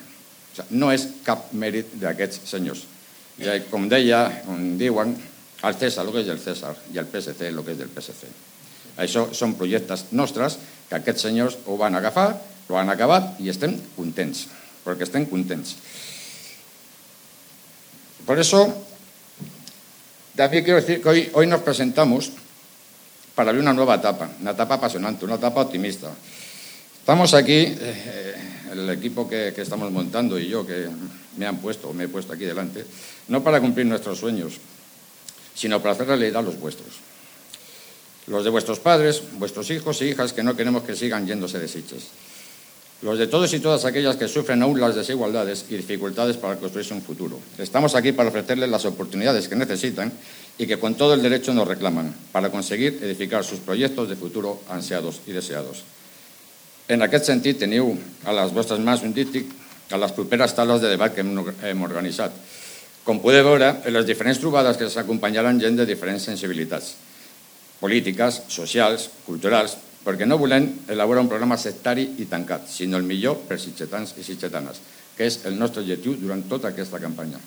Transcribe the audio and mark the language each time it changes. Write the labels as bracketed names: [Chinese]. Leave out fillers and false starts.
[Catalan] O sigui, no és cap mèrit d'aquests senyors. Ja, com deia, on diuen el César el que és del César i el PSC el que és del PSC. Això són projectes nostres que aquests senyors ho van agafar, ho han acabat i estem contents, perquè estem contents. Per això, també [Spanish] quiero decir que hoy nos presentamos para abrir una nueva etapa, una etapa apasionante, una etapa optimista. Estamos aquí, el equipo que estamos montando y yo, que me han puesto, me he puesto aquí delante, no para cumplir nuestros sueños, sino para hacer realidad los vuestros. Los de vuestros padres, vuestros hijos e hijas que no queremos que sigan yéndose de Sitges. Los de todos y todas aquellas que sufren aún las desigualdades y dificultades para construirse un futuro. Estamos aquí para ofrecerles las oportunidades que necesitan y que con todo el derecho nos reclaman, para conseguir edificar sus proyectos de futuro ansiados y deseados. [Catalan] En aquest sentit teniu a les vostres mans un díptic a les properes taules de debat que hem organitzat. Com podeu veure, en les diferents trobades que s'acompanyaran gent de diferents sensibilitats polítiques, socials, culturals, perquè no volem elaborar un programa sectari i tancat, sinó el millor per sitgetans i sitgetanes, que és el nostre objectiu durant tota aquesta campanya.